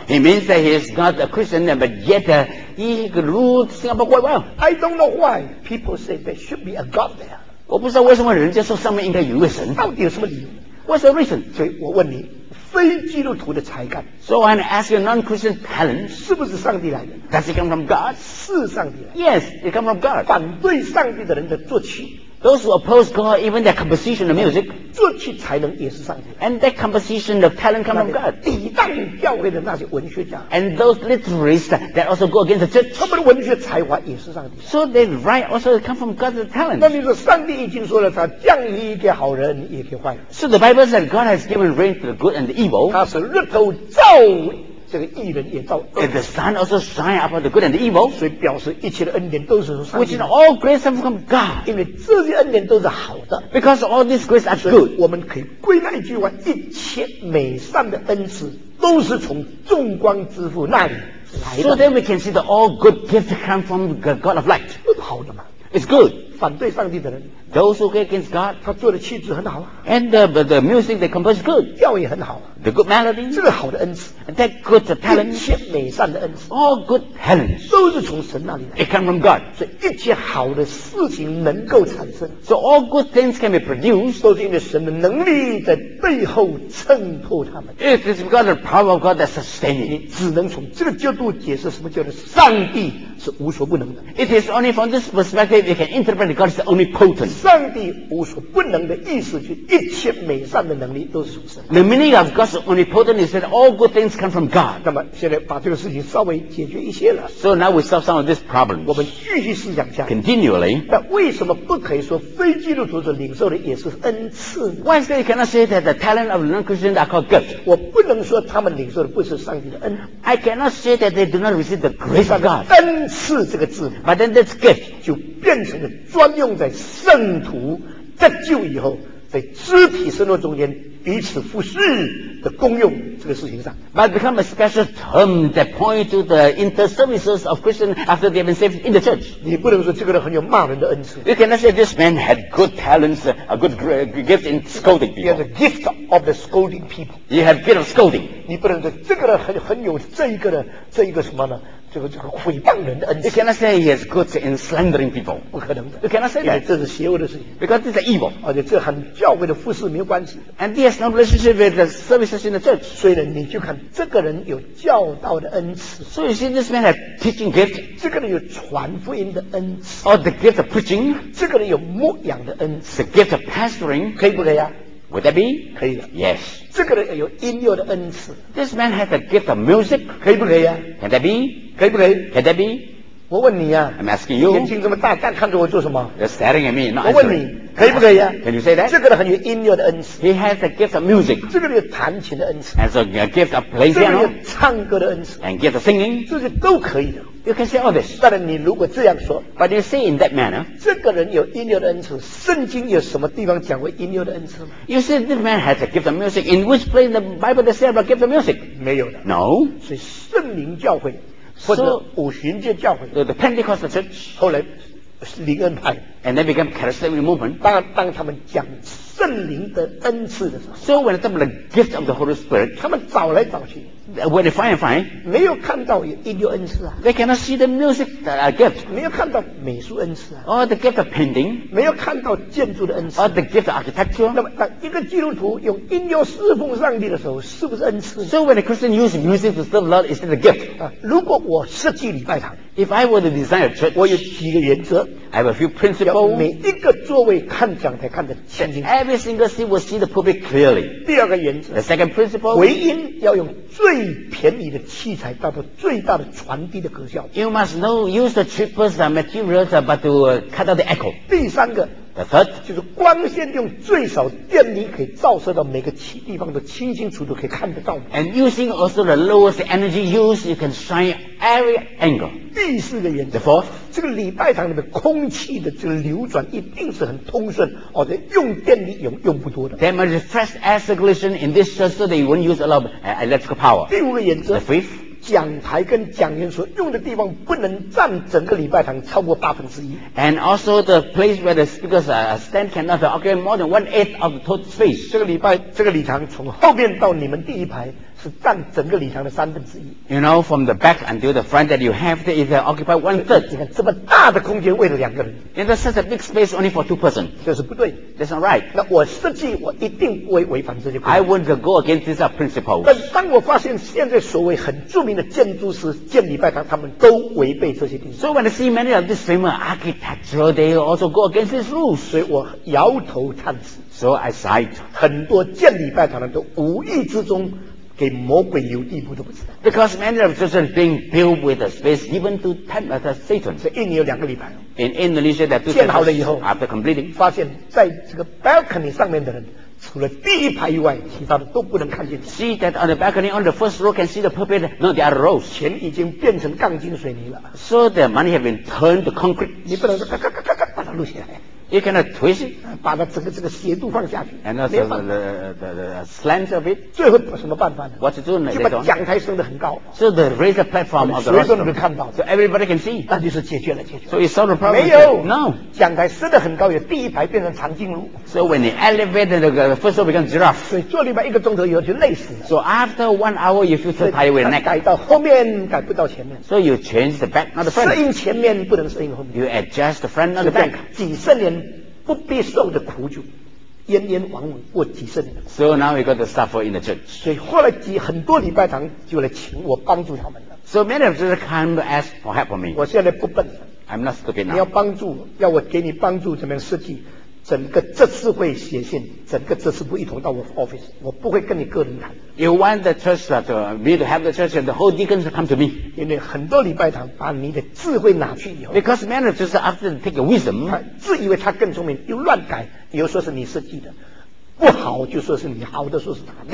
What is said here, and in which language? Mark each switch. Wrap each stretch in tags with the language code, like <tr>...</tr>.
<en>He means that he's not a Christian, but yet he could rule Singapore quite well. I don't know why people say there should be a God there.</en> <zh>我不知道为什么人家说上面应该有一位神，到底有什么理由？</zh> <en>What's the reason?</en> <zh>所以我问你，非基督徒的才干，</zh> <en>So I want to ask you, non-Christian talent,</en> <zh>是不是上帝来的？</zh> <en>Does it come from God?</en> <zh>是上帝来的。</zh> <en>Yes, it comes from God.</en> <zh>反对上帝的人的作曲，</zh> <en>Those who oppose God, even their composition of music,</en> <zh>作曲才能也是上帝来的。</zh> <en>And that composition of talent comes from God.</en> <zh>抵挡教会的那些文学家，</zh> <en>And those literaries that also go against the church,</en> <zh>他们的文学才华也是上帝来的。</zh> <en>So they write also come from God's talent.</en> <zh>那你说上帝已经说了，他降雨给好人也给坏人。</zh> <en>So the Bible says God has given rain to the good and the evil.</en> <zh>他是日头照这个义人也照恶。</zh> <en>And the sun also shine upon the good and the evil.</en> <zh>所以表示一切的恩典都是上帝。</zh> <en>Which is all grace comes from God.</en> <zh>因为这些恩典都是好的。</zh> <en>Because all this grace is good.</en> <zh>我们可以归纳一句话：一切美善的恩赐都是从众光之父那里来的。</zh> <en>So then we can see that all good gifts come from the God of light.</en> <zh>好的嘛。</zh> <en>It's good.</en> <zh>反对上帝的人，</zh> <en>Those who go against God,</en> <zh>他做的曲子很好。</zh> <en>And the music they compose good,</en> <zh>调也很好。</zh> <en>The good melody,</en> <zh>这个好的恩赐。</zh> <en>And that good talent,</en> <zh>一切美善的恩赐。</zh> <en>All good talents,</en> <zh>都是从神那里来。</zh> <en>It comes from God.</en> <zh>所以一切好的事情能够产生，</zh> <en>So all good things can be produced,</en> <zh>都是因为神的能力在背后衬托他们。</zh> <en>It is because the power of God that sustains it.</en> <zh>你只能从这个角度解释什么叫做上帝是无所不能的。</zh> <en>It is only from this perspective you can interpret Only God is omnipotent.</en> <zh>上帝无所不能的意思就一切美善的能力都是属神。</zh> <en>The meaning of God's omnipotent is that all good things come from God.</en> <zh>那么现在把这个事情稍微解决一些了。</zh> <en>So now we solve some of these problems.</en> <zh>我们继续思想下。</zh> <en>Continually.</en> <zh>那为什么不可以说非基督徒所领受的也是恩赐呢？</zh> <en>Why is that you cannot say that the talent of non-Christians are called gifts?</en> <zh>我不能说他们领受的不是上帝的恩。</zh> <en>I cannot say that they do not receive the grace of God.</en> <zh>恩赐这个字。</zh> <en>But then that's gift.</en> <zh>就变成了专用在圣徒得救以后在肢体生活中间彼此服侍的功用这个事情上</zh> <en>but become a special term that point to the inter-services of Christians after they have been saved in the church.</en> <zh>你不能说这个人很有骂人的恩赐。</zh> <en>You cannot say this man had good talents, a good gift in scolding people. He had a gift of the scolding people. He had a gift of scolding.</en> <zh>你不能说这个人 很有这一个什么呢这个毁谤人的恩赐。</zh> <en>You cannot say he is good in slandering people.</en> <zh>不可能的。</zh> <en>You cannot say that.</en> <zh>这是邪恶的事情。</zh> <en>Because this is evil.</en> <zh>而且这和教会的服事没有关系。</zh> <en>And he has no relationship with the services in the church.</en> <zh>所以呢，你就看这个人有教导的恩赐。</zh> <en>So you see this man has teaching gift.</en> <zh>这个人有传福音的恩赐。</zh> <en>Or the gift of preaching.</en> <zh>这个人有牧养的恩赐。</zh> <en>The gift of pastoring.</en> <zh>可以不可以啊？</zh> <en>Would that be?</en> <zh>可以的。</zh> <en>Yes.</en> <zh>这个人有音乐的恩赐。</zh> <en>This man has the gift of music.</en> <zh>可以不可以啊？</zh> <en>Can that be?</en> <zh>可以不可以</zh> <en>？Can that be？</en> <zh>我问你呀、</zh> <en>啊。I'm asking you。</en> <zh>眼睛这么大，干看着我做什么</zh> <en>？You're staring at me, not answering.</en> <zh>我问你，可以不可以啊</zh> <en>？Can you say that？</en> <zh>这个人很有音乐的恩赐。</zh> <en>He has the gift of music。</en> <zh>这个人有弹琴的恩赐。</zh> <en>Has a gift of playing piano。</en> <zh>这个人有唱歌的恩赐。</zh> <en>And gift of singing。</en> <zh>这些都可以的。</zh> <en>You can say all this。</en> <zh>但是你如果这样说</zh> <en>，But you say in that manner，</en> <zh>这个人有音乐的恩赐，圣经有什么地方讲过音乐的恩赐吗</zh> <en>？You say this man has a gift of music. In which place in the Bible does it say about gift of music？</en> <zh>没有的。</zh> <en>No。</en> <zh>所以圣灵教会。或者五旬节教会</zh> <en>the Pentecostal church</en> <zh>后来灵恩派</zh> <en>and they became charismatic movement</en> <zh>当他们讲圣灵的恩赐的时候</zh> <en>so when they have the gift of the Holy Spirit</en> <zh>他们找来找去</zh> <en>when they find and find</en> <zh>没有看到有音乐恩赐啊</zh> <en>they cannot see the music that are gifts</en> <zh>没有看到美术恩赐啊</zh> <en>or the gift of painting</en> <zh>没有看到建筑的恩赐</zh> <en>or the gift of architecture</en> <zh>那么当一个基督徒用音乐侍奉上帝的时候是不是恩赐</zh> <en>so when a Christian uses music to serve Lord is it a gift</en> <zh>如果我设计礼拜堂</zh> <en>if I were to design a church</en> <zh>我有几个原则</zh> <en>I have a few principles.</en> <zh>要每一个座位看讲台看得清清。</zh> <en>Every single seat will see the pulpit clearly.</en> <zh>第二个原则。</zh> <en>The second principle.</en> <zh>回音要用最便宜的器材达到最大的传递的格效。</zh> <en>You must know use the cheapest materials but to cut out the echo.</en> <zh>第三个。</zh> <en>The third.</en> <zh>就是光线用最少电力可以照射到每个地方都清清楚楚可以看得到。</zh> <en>And using also the lowest energy use, you can shine every angle.</en> <zh>第四个原则。</zh> <en>The fourth.</en> <zh>这个礼拜堂里面空气的这个流转一定是很通顺，而且用电力用不多的。</zh> <en>There must be fresh air circulation in this church so that you won't use a lot of electrical power.</en> <zh>第五个原则。</zh> <en>The fifth.</en> <zh>讲台跟讲员所用的地方不能占整个礼拜堂超过八分之一。</zh> <en>And also the place where the speakers are stand cannot occupy more than one eighth of the total space.</en> <zh>这个礼堂从后面到你们第一排是占整个礼堂的三分之一。</zh> <en>You know, from the back until the front that you have, there is occupy one third.</en> <zh>你看这么大的空间为了两个人。</zh> <en>In the such a big space only for two persons.</en> <zh>这是不对。</zh> <en>That's not right.</en> <zh>那我设计我一定不会违反这些规</zh> <en>定。I won't go against these principles.</en> <zh>但当我发现现在所谓很著名的建筑师建礼拜堂，他们都违背这些定</zh> <en>义。So when I see many of these famous architects, they also go against these rules.</en> <zh>所以我摇头叹息。</zh> <en>So I sighed.</en> <zh>很多建礼拜堂的都无意之中。给魔鬼留地步都不知道</zh> <en>Because many of churches are being built with a space given to tempt Satan.</en> <zh>所以一年有两个礼拜。</zh> <en>In Indonesia, that two churches,</en> <zh>建好了以后</zh> <en>after completing,</en> <zh>发现在这个 balcony 上面的人除了第一排以外其他的都不能看见</zh> <en>See that on the balcony on the first row can see the pulpit not the other rows</en> <zh>钱已经变成钢筋水泥了</zh> <en>So the money has been turned to concrete</en> <zh>你不能说咔咔咔咔咔把它录下来</zh> <en>You cannot twist it</en> <zh>把它整个这个斜度放下去</zh> <en>And also the slant of it</en> <zh>最后什么办法呢</zh> <en>What to do in the later</en> <zh>就把讲台升得很高</zh> <en>So the raised platform of the rest</en> <zh>谁都能看到</zh> <en>So everybody can see</en> <zh>那就是解决了解决</zh> <en>So you solve the problem</en> <zh>没有</zh> <en>No</en> <zh>讲台升得很高有第一排变成长颈鹿</zh> <en>So when you elevate the first row becomes giraffe</en> <zh>所以做礼拜一个钟头以后就累死了</zh> <en>So after 1 hour you feel so tired with your neck</en> <zh>改到后面改不到前面</zh> <en>So you change the back not the front</en> <zh>适应前面不能适应后面</zh> <en>You adjust the front not the back</en> <zh>几十年不必受的苦楚奄奄枉枉过几十年</zh> <en>So now we got to suffer in the church</en> <zh>所以后来几很多礼拜堂就来请我帮助他们了</zh> <en>So many of them come to ask for help from me</en> <zh>我现在不笨</zh> <en>I'm not stupid now.</en> <zh>你要帮助，要我给你帮助，怎么样设计？整个这次会写信，整个这次会一同到我 office， 我不会跟你个人谈。</zh> <en>You want the church to me to have the church and the whole deacons come to me？</en> <zh>因为很多礼拜堂把你的智慧拿去以后</zh> <en>，Because man just after take your wisdom，</en> <zh>他自以为他更聪明，又乱改，又说是你设计的，不好就说是你，好的说是他。</zh>